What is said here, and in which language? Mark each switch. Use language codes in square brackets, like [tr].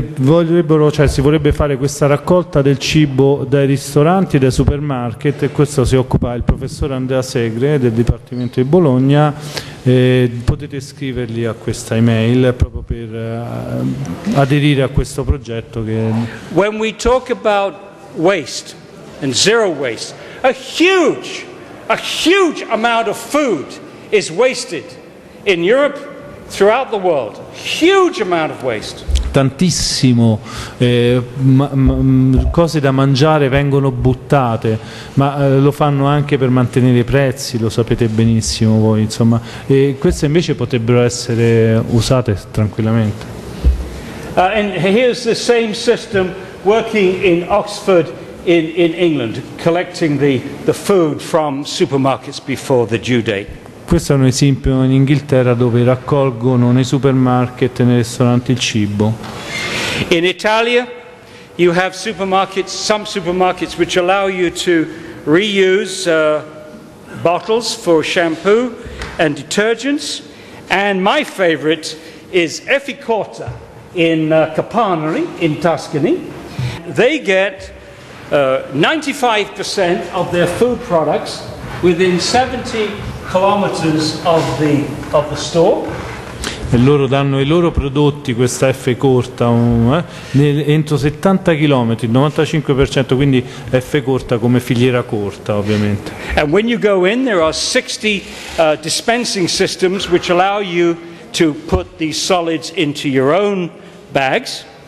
[it] Si vorrebbe fare questa raccolta del cibo dai ristoranti e dai supermarket, e questo si occupa il professor Andrea Segre del Dipartimento di Bologna. Potete scrivergli a questa email proprio per aderire a questo progetto. Che... [en] When we talk about waste and zero waste, a huge amount of food is wasted in Europe, throughout the world. Huge amount of waste. [it] Tantissimo cose da mangiare vengono buttate, ma lo fanno anche per mantenere i prezzi, lo sapete benissimo voi, insomma, e queste invece potrebbero essere usate tranquillamente. [en] And here's the same system working in Oxford in England, collecting the food from supermarkets before the due date. [it] Questo è un esempio in Inghilterra dove raccolgono nei supermarket e nei ristoranti il cibo. [en] In Italia you have supermarkets, some supermarkets which allow you to reuse bottles for shampoo and detergents, and my favorite is Efficorta in Capannori in Tuscany. They get 95% of their food products within 70 kilometers of the store. [it] E loro danno i loro prodotti, questa F corta, entro 70 chilometri, 95%, quindi F corta come filiera corta, ovviamente. [en] And when you go in, there are 60 dispensing systems which allow you to put these solids into your own bags.